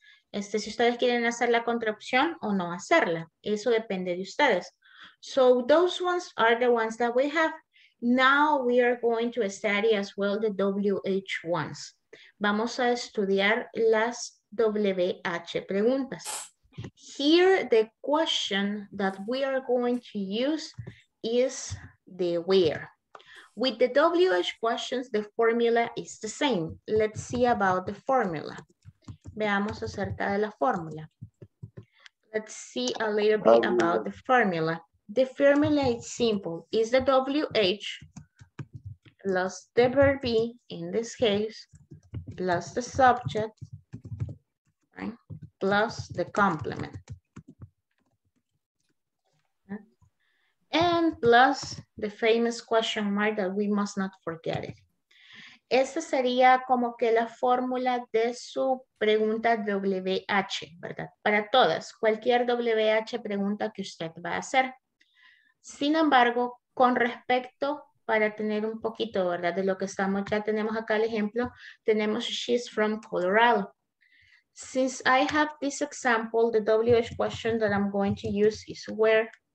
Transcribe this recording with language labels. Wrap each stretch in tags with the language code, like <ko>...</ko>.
<es>Este, si ustedes quieren hacer la contracción o no hacerla, eso depende de ustedes.</es> <en>So those ones are the ones that we have. Now we are going to study as well the WH ones.</en> <es>Vamos a estudiar las WH preguntas.</es> <en>Here the question that we are going to use is the where. With the WH questions, the formula is the same. Let's see about the formula.</en> <es>Veamos acerca de la fórmula.</es> <en>Let's see a little bit about the formula. The formula is simple. It's the WH plus the verb be, in this case, plus the subject, right? Plus the complement. And plus the famous question mark that we must not forget it.</en> <es>Esa sería como que la fórmula de su pregunta WH, ¿verdad? Para todas, cualquier WH pregunta que usted va a hacer. Sin embargo, con respecto, para tener un poquito, ¿verdad? De lo que estamos, ya tenemos acá el ejemplo, tenemos</es> <en>she's from Colorado. Since I have this example, the WH question that I'm going to use is where.</en>